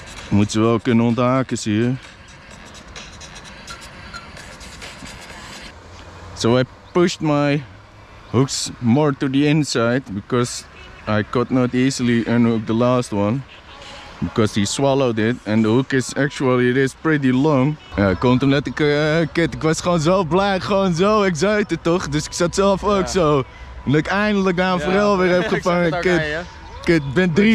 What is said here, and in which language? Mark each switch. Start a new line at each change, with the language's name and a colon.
Dutch: Moet ze wel kunnen onthaken, zie je.
English: So I pushed my hooks more to the inside because I could not easily unhook the last one. Because he swallowed it and the hook is actually, it is pretty long.
Dutch: Ja, het komt omdat ik, kid, ik was gewoon zo blij, gewoon zo excited toch? Dus ik zat zelf ook zo. Omdat ik eindelijk daar een forel weer heb gevangen. Kid, ben drie...